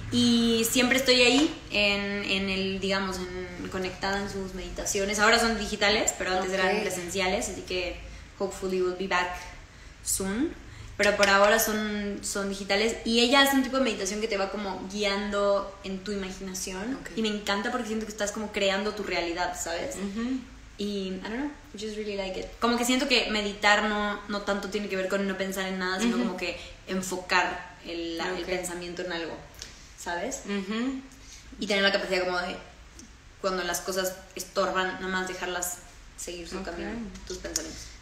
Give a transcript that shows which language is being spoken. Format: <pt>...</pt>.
<es>Y siempre estoy ahí, en el, digamos, en, conectada en sus meditaciones. Ahora son digitales, pero antes eran presenciales, así que</es> <en>hopefully we'll be back soon.</en> <es>Pero por ahora son digitales. Y ella hace un tipo de meditación que te va como guiando en tu imaginación. Okay. Y me encanta porque siento que estás como creando tu realidad, ¿sabes?</es> <en>Uh-huh. Y, I don't know, I just really like it.</en> <es>Como que siento que meditar no tanto tiene que ver con no pensar en nada, sino como que enfocar el pensamiento en algo, ¿sabes? Uh-huh. Y tener la capacidad como de, cuando las cosas estorban, nada más dejarlas seguir su camino, tus pensamientos.</es>